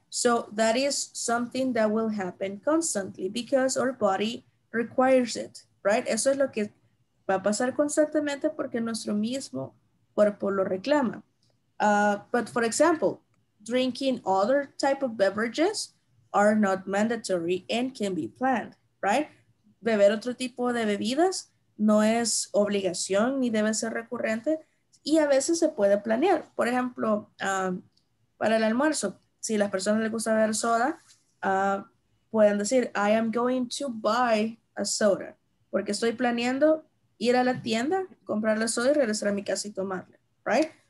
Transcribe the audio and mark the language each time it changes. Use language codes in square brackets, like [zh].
[en] So, that is something that will happen constantly because our body requires it, right? [es] Eso es lo que va a pasar constantemente porque nuestro mismo cuerpo lo reclama. [en] But for example, drinking other type of beverages are not mandatory and can be planned, right? [es] Beber otro tipo de bebidas no es obligación ni debe ser recurrente y a veces se puede planear. Por ejemplo, para el almuerzo, si a las personas les gusta beber soda, pueden decir, [en] I am going to buy a soda, [es] porque estoy planeando ir a la tienda, comprar la soda y regresar a mi casa y tomarla, right?